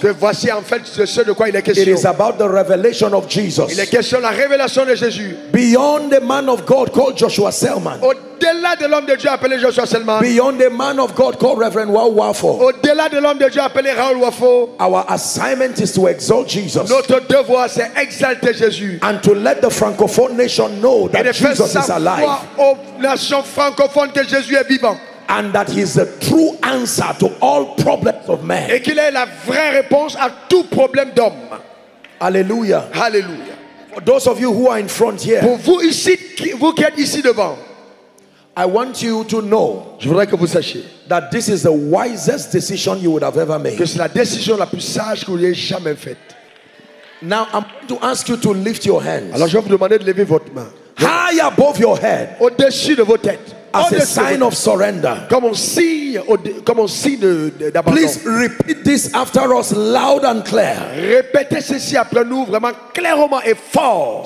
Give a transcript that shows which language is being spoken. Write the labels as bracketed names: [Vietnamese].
[French] Que voici en fait ce de quoi il est question. [English] It is about the revelation of Jesus. [French] Il est question de la révélation de Jésus. [English] Beyond the man of God called Joshua Selman. [French] Au-delà de l'homme de Dieu appelé Joshua Selman. [English] Beyond the man of God called Reverend Raoul Wafo. [French] Au-delà de l'homme de Dieu appelé Raoul Wafo. [English] Our assignment is to exalt Jesus. [French] Notre devoir c'est exalter Jésus. [English] And to let the francophone nation know that Jesus is alive. [French] Et de faire savoir aux nations francophones que Jésus est vivant. [English] And that he is the true answer to all problems of men. [French] Et qu'il est la vraie réponse à tout problème d'homme. Alléluia. Alléluia. [English] For those of you who are in front here. [French] Pour vous ici, vous qui êtes ici devant. [English] I want you to know, [French] je voudrais que vous sachiez, [English] that this is the wisest decision you would have ever made. [French] Que c'est la décision la plus sage que vous ayez jamais faite. [English] Now I'm going to ask you to lift your hands. [French] Alors je vais vous demander de lever votre main. [English] High above your head. [French] Au-dessus de vos têtes. [English] As a sign of surrender. [French] Comme on signe d'abandon. [English] Please repeat this after us loud and clear. [French] Répétez ceci après nous vraiment clairement et fort.